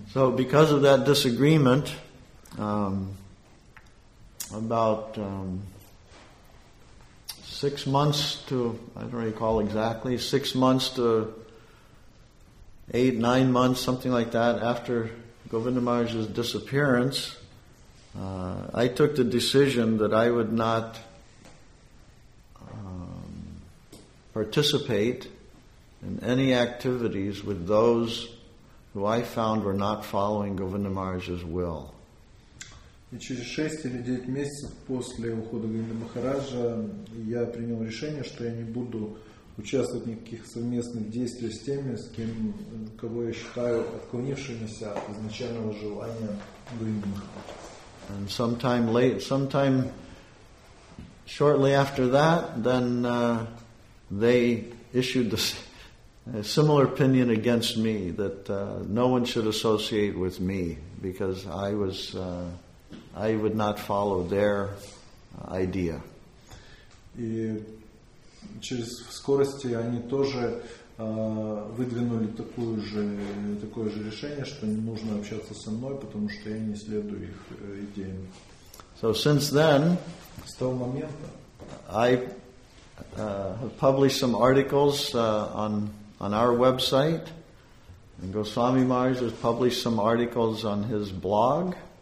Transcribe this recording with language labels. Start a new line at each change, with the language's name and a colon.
English: So because of that disagreement about 6 months to, I don't recall exactly, 6 months to 8, 9 months, something like that, after Govinda Maharaj's disappearance, I took the decision that I would not participate in any activities with those who I found were not following Govinda Maharaj's will.
Russian: И через 6 или 9 месяцев после ухода Говинды Махараджа я принял решение, что я не буду участвовать в никаких совместных действиях с теми, с кем, кого я считаю отклонившимися от изначального желания Говинды Махараджа.
English: And sometime shortly after that, then they issued a similar opinion against me, that no one should associate with me, because I would not follow their idea.
Russian: И через скорости они тоже выдвинули такое же решение, что не нужно общаться со мной, потому что я не следую их идеям.
English: So since then,
Russian: с того момента,
English: I have published some articles on our website, and Goswami Maharaj has published some articles on his blog.